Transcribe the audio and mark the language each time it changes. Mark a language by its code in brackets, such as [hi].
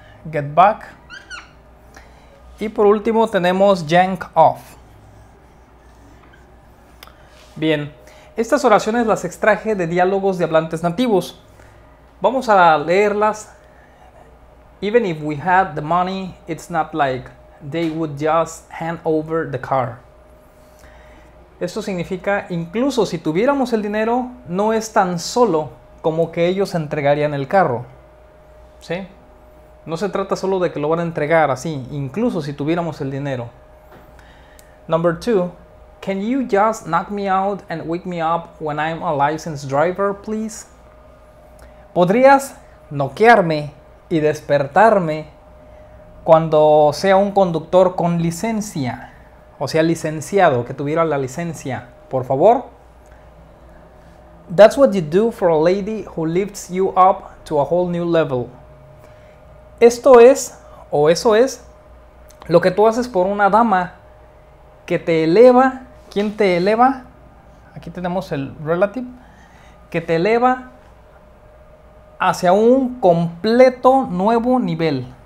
[en] Get back. [es] Y por último tenemos yank off. Bien, estas oraciones las extraje de diálogos de hablantes nativos. Vamos a leerlas. [en] Even if we had the money, it's not like they would just hand over the car. [es] Esto significa, incluso si tuviéramos el dinero, no es tan solo como que ellos entregarían el carro. ¿Sí? No se trata solo de que lo van a entregar así, incluso si tuviéramos el dinero. [en] Number two, can you just knock me out and wake me up when I'm a licensed driver, please? [es] ¿Podrías noquearme y despertarme cuando sea un conductor con licencia? O sea, licenciado, que tuviera la licencia, por favor. [en] That's what you do for a lady who lifts you up to a whole new level. [es] Esto es, o eso es, lo que tú haces por una dama que te eleva. ¿Quién te eleva? Aquí tenemos el relative. Que te eleva hacia un completo nuevo nivel.